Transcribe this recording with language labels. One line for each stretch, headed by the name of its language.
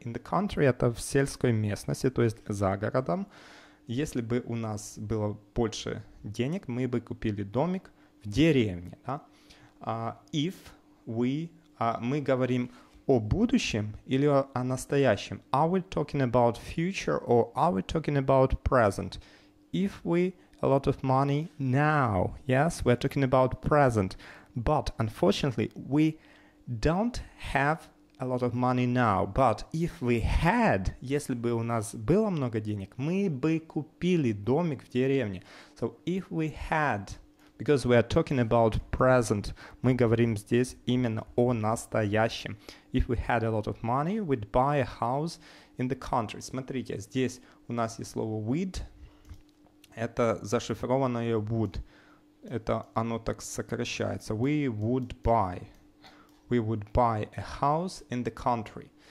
Russian: In the country – это в сельской местности, то есть за городом. Если бы у нас было больше денег, мы бы купили домик в деревне. Да?
English: If we
Russian: – мы говорим о будущем или о настоящем.
English: Are we talking about future or are we talking about present? If we a lot of money now, yes, we're talking about present. But unfortunately, we don't have a lot of money now. But if we had,
Russian: если бы у нас было много денег, мы бы купили домик в деревне.
English: So if we had, because we are talking about present,
Russian: мы говорим здесь именно о настоящем.
English: If we had a lot of money, we'd buy a house in the country.
Russian: Смотрите, здесь у нас есть слово we'd. Это зашифрованное would. Это оно так сокращается.
English: We would buy. We would buy a house in the country.